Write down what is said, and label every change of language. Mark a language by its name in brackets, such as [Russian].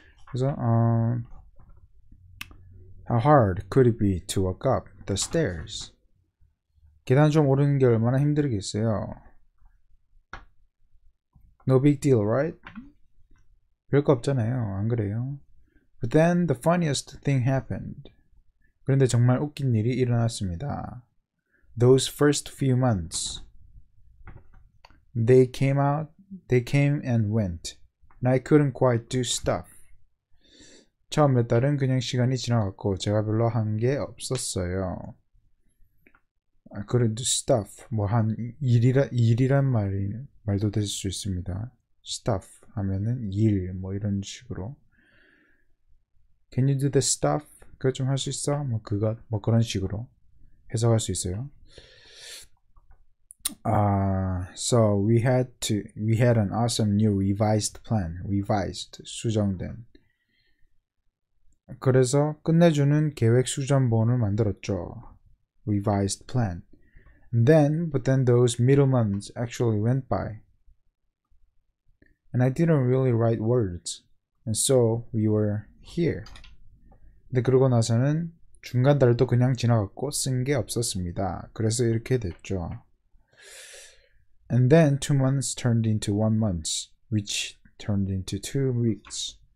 [English] 그래서 how hard could it be to walk up the stairs? [Korean] 계단 좀 오르는 게 얼마나 힘들겠어요? [English] No big deal, right? [Korean] 별거 없잖아요. 안 그래요? [English] But then the funniest thing happened. [Korean] 그런데 정말 웃긴 일이 일어났습니다. [English] Those first few months. They came and went. And I couldn't quite do stuff. [Korean] 처음 몇 달은 그냥 시간이 지나갔고 제가 별로 한 게 없었어요. 아, 그래도 stuff 뭐 한 일이란 말도 될 수 있습니다. stuff 하면은 일 뭐 이런 식으로. [English] Can you do the stuff? [Korean] 그거 좀 할 수 있어? 뭐 그것 뭐 그런 식으로 해석할 수 있어요. [English] So we had an awesome new revised plan. [Korean] Revised 수정된. 그래서 끝내주는 계획 수정본을 만들었죠. [English] Revised plan. But then those middle months actually went by. And I didn't really write words. And so we were here. [Korean] 근데 그러고 나서는 중간 달도 그냥 지나갔고 쓴 게 없었습니다. 그래서 이렇게 됐죠. [English] And then 2 months turned into 1 month, which turned into 2 weeks.